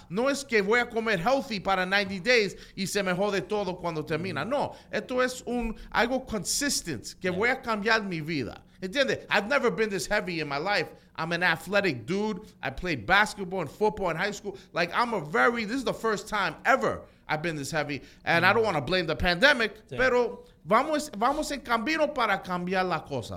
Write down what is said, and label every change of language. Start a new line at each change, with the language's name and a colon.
Spanish: No es que voy a comer healthy para 90 days y se me jode todo cuando termina. Mm. No. Esto es algo consistent que yeah. Voy a cambiar mi vida. ¿Entiendes?
English: I've never been this heavy in my life. I'm an athletic dude. I played basketball and football in high school. Like, I'm a very... This is the first time ever... I've been this heavy, and I don't want to blame the pandemic, sí.
Spanish: Pero vamos en camino para cambiar las cosas.